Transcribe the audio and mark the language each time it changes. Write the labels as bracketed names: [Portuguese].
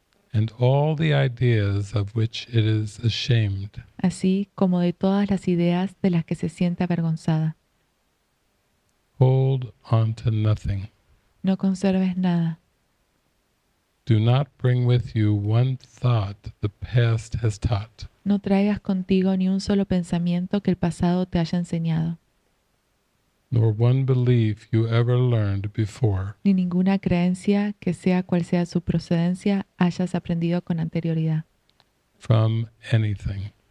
[English] And all the ideas of which it is ashamed. [Spanish] Así como de todas las ideas de las que se siente avergonzada. [English] Hold on to nothing. [Spanish] No conserves nada. [English] Do not bring with you one thought the past has taught. [Spanish] No traigas contigo ni un solo pensamiento que el pasado te haya enseñado. [English] Nor one belief you ever learned before. [Spanish] Ni ninguna creencia, que sea cual sea su procedencia, hayas aprendido con anterioridad. [English] From anything.